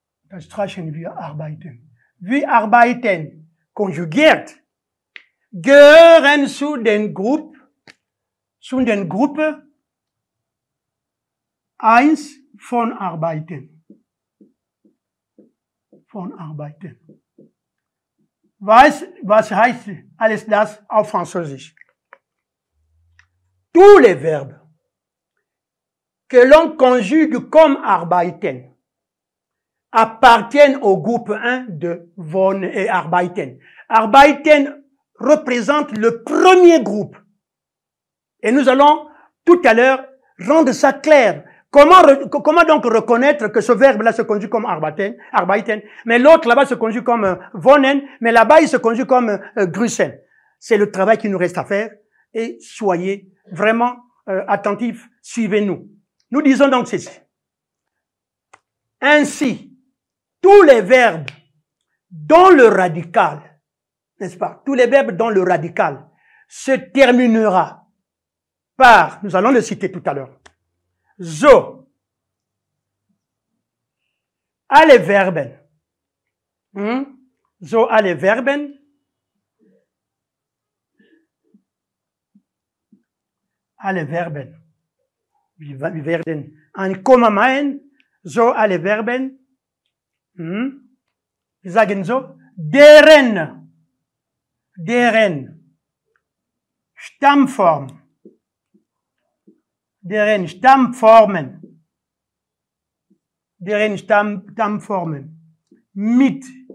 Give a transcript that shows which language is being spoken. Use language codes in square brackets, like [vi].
[de] Das streichen wir arbeiten. Wie arbeiten, konjugiert, gehören zu den Gruppe 1 von Arbeiten. Von Arbeiten. Was heißt alles das auf Französisch? [fr] Tous les verbes que l'on conjugue comme arbeiten appartiennent au groupe 1 de von et arbeiten. Arbeiten représente le premier groupe. Et nous allons tout à l'heure rendre ça clair. Comment donc reconnaître que ce verbe-là se conjugue comme arbeiten, mais l'autre là-bas se conjugue comme wohnen, mais là-bas il se conjugue comme grüßen. C'est le travail qui nous reste à faire et soyez vraiment attentifs, suivez-nous. Nous disons donc ceci. Ainsi, tous les verbes dont le radical, n'est-ce pas, tous les verbes dont le radical se terminera par, nous allons le citer tout à l'heure, [de] so, alle Verben, hmm? So alle Verben, alle Verben, wir werden ein Komma machen, so alle Verben, hmm? Wir sagen so, deren Stammform, deren Stammformen, deren Stammformen mit